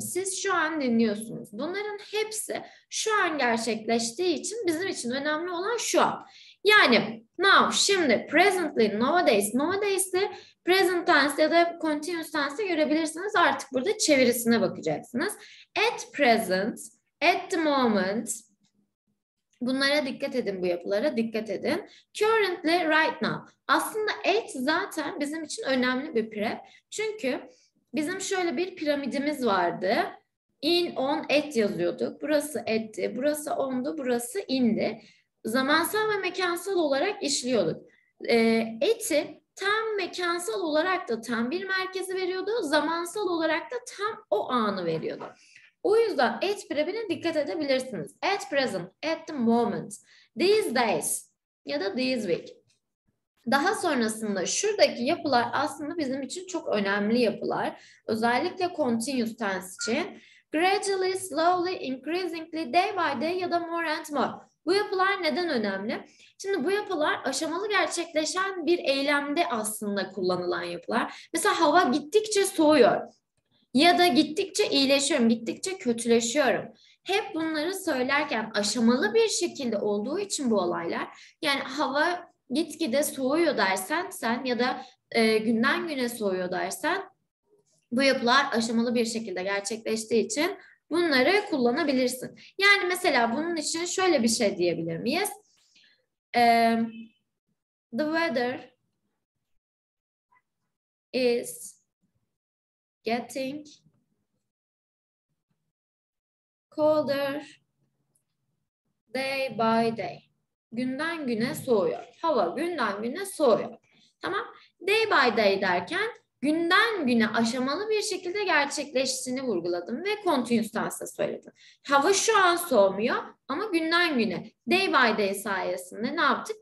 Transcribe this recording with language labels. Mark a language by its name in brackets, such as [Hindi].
[Turkish] Siz şu an dinliyorsunuz. Bunların hepsi şu an gerçekleştiği için bizim için önemli olan şu an. Yani now, şimdi, presently, nowadays. Nowadays'i present tense ya da continuous tense'e görebilirsiniz. Artık burada çevirisine bakacaksınız. [English] At present, at the moment. [Turkish] Bunlara dikkat edin, bu yapılara dikkat edin. [English] Currently, right now. [Turkish] Aslında at zaten bizim için önemli bir prep. Çünkü bizim şöyle bir piramidimiz vardı. In, on, at yazıyorduk. Burası etti, burası ondu, burası indi. Zamansal ve mekansal olarak işliyorduk. Eti tam mekansal olarak da tam bir merkezi veriyordu. Zamansal olarak da tam o anı veriyordu. O yüzden at verbine dikkat edebilirsiniz. [English] At present, at the moment, these days [Turkish] ya da [English] this week. [Turkish] Daha sonrasında şuradaki yapılar aslında bizim için çok önemli yapılar. Özellikle continuous tense için. [English] Gradually, slowly, increasingly, day by day [Turkish] ya da [English] more and more. [Turkish] Bu yapılar neden önemli? Şimdi bu yapılar aşamalı gerçekleşen bir eylemde aslında kullanılan yapılar. Mesela hava gittikçe soğuyor. Ya da gittikçe iyileşiyorum, gittikçe kötüleşiyorum. Hep bunları söylerken aşamalı bir şekilde olduğu için bu olaylar. Yani hava gitgide soğuyor dersen sen ya da günden güne soğuyor dersen bu yapılar aşamalı bir şekilde gerçekleştiği için bunları kullanabilirsin. Yani mesela bunun için şöyle bir şey diyebilir miyiz? [English] The weather is getting colder day by day. [Turkish] Günden güne soğuyor. Hava günden güne soğuyor. Tamam. Day by day derken günden güne aşamalı bir şekilde gerçekleştiğini vurguladım ve continuous tense'e söyledim. Hava şu an soğumuyor ama günden güne day by day sayesinde ne yaptık?